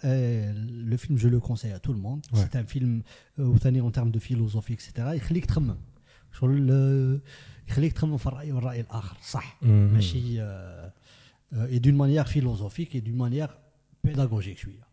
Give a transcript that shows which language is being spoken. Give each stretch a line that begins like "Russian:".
French: Et le film, je le conseille à tout le monde. Ouais. C'est un film où tu en termes de philosophie, etc. Il
Arabic: خليك تخمم. شغل
French: il
Arabic: خليك تخمم في الرأي والرأي الآخر. صح. ماشي
French: et d'une manière philosophique et d'une manière pédagogique, je veux dire.